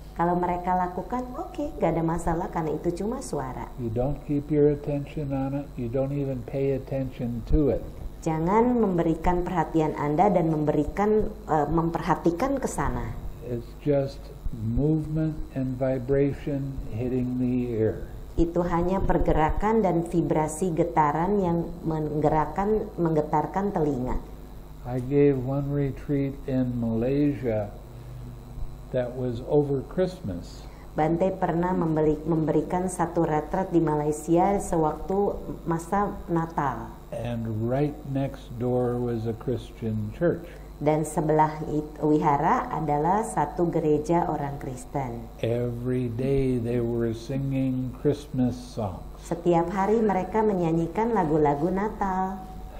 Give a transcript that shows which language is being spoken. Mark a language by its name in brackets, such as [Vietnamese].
[Indonesian] Kalau mereka lakukan, oke, gak ada masalah karena itu cuma suara. [English] You don't keep your attention on it, you don't even pay attention to it. [Indonesian] Jangan memberikan perhatian Anda dan memperhatikan ke sana. [English] It's just movement and vibration hitting the ear. [Indonesian] Itu hanya pergerakan dan vibrasi getaran yang menggetarkan telinga. [English] I gave one retreat in Malaysia that was over Christmas. [Indonesian] Bante pernah memberikan satu retret di Malaysia sewaktu masa Natal. [English] And right next door was a Christian church. [Indonesian] Dan sebelah wihara adalah satu gereja orang Kristen. [English] Every day they were singing Christmas songs. [Indonesian] Setiap hari mereka menyanyikan lagu-lagu Natal.